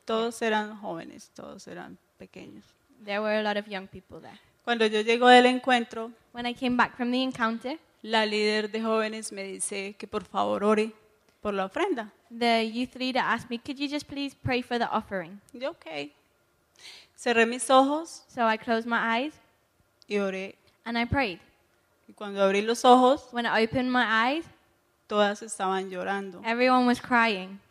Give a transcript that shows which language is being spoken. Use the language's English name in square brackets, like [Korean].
[Spanish] Todos eran jóvenes, todos eran pequeños. [English] There were a lot of young people there. [Spanish] Cuando yo llego del encuentro, [English] when I came back from the encounter, [Spanish] la líder de jóvenes me dice que por favor ore por la ofrenda. [English] The youth leader asked me, could you just please pray for the offering? [Spanish] Yo, okay. Cerré mis ojos. [English] So I closed my eyes. [Spanish] Y oré. [English] And I prayed. [Spanish] Y cuando abrí los ojos, [English] when I opened my eyes, [Spanish] todas estaban llorando. [English] Everyone was crying.